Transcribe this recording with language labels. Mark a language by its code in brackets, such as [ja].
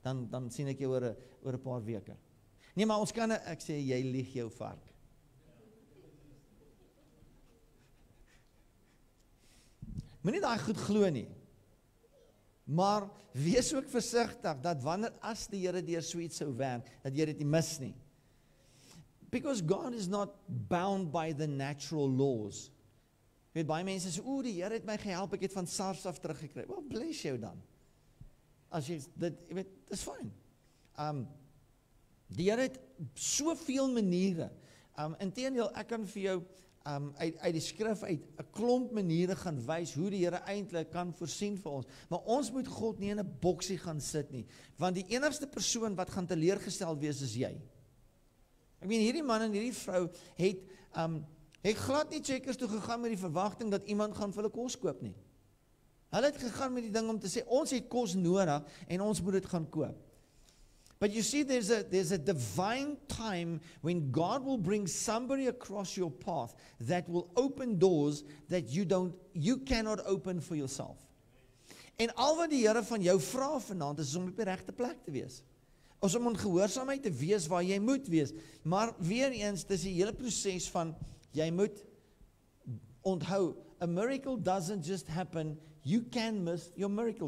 [af] Dan sien ek jou oor 'n paar weke. Nee, maar ons kan, ek sê, jy lieg jou vark. Moet nie daar goed glo nie, maar wees ook versigtig, dat wanneer as die Here deur so iets sou werk, dat jy dit nie mis nie. [en] Because God is not bound by the natural laws. [af] Jy weet, baie mense sê, die Here het my gehelp, ek het van SARS af teruggekry. [en] Well, bless [af] jou dan. As jy dit, jy weet, dis fyn. Die Here het soveel maniere. Inteendeel, ek kan vir jou uit die skrif uit 'n klomp maniere gaan wys hoe die Here eintlik kan voorsien vir ons. Maar ons moet God nie in 'n boksie gaan sit nie, want die enigste persoon wat gaan teleurgesteld wees is jy. Ek meen, hierdie man en hierdie vrou het glad nie Checkers toe gegaan met die verwagting dat iemand gaan vir hulle kos koop nie. Hulle het gegaan met die ding om te sê, ons het kos nodig en ons moet dit gaan koop. [en] But you see, there's a divine time when God will bring somebody across your path that will open doors that you cannot open for yourself. [af] En al wat die Here van jou vra vanaand is om op die regte plek te wees. Ons om in gehoorsaamheid te wees waar jy moet wees. Maar weer eens, dis die hele proses van, jy moet onthou, [en] a miracle doesn't just happen, you can miss your miracle.